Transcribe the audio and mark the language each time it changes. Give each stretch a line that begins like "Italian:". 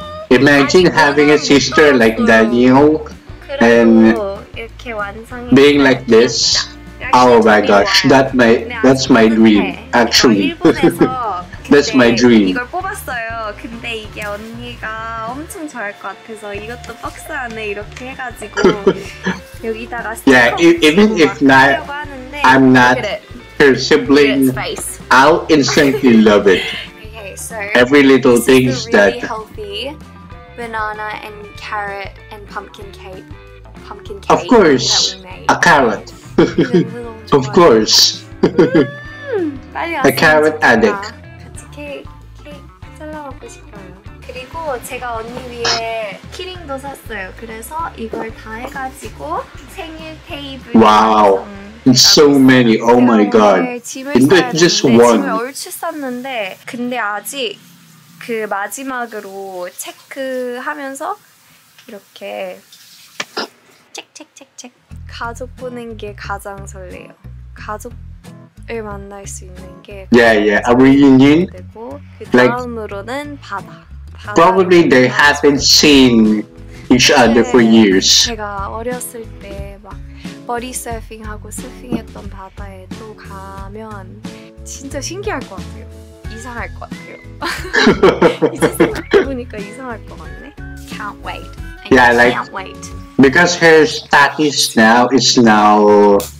English: Imagine having a sister like Daniel and being like this. Oh my gosh, that's my dream, actually. That's my dream.
Korean: 이걸 뽑았어요. 근데 이게 언니가 엄청 좋아할 것 같아서 이것도 박스 안에 이렇게 해가지고 여기다가
English: Yeah, even if not, I'm not her sibling, I'll instantly love it. Okay, so every little things that healthy banana and carrot and pumpkin cake. Of course, a carrot. Of course. A carrot addict.
Korean: 같이 케이크 잘라 먹고 싶어요. 그리고 제가 언니 위해 키링도 샀어요. 그래서 이걸 다 해가지고 생일 테이블.
English: Wow. So many. Oh my god. And just one.
Korean: 짐을 얼추 샀는데 근데 아직 그 마지막으로 체크하면서 이렇게 체크. 가족 보는 게 가장 설레요. 가족을 만날 수 있는 게
English: Yeah. A reunion.
Korean: 그리고 다음으로는 바다.
English: Probably they haven't seen each other for years.
Korean: 제가 어렸을 때 막 버디 서핑하고 서핑했던 바다에 또 가면 진짜 신기할 것 같아요. 이상할 것 같아요. 이제 생각해 보니까 이상할 것 같네.
English: Can't wait. Yeah, like. Can't wait. Because her status now is now.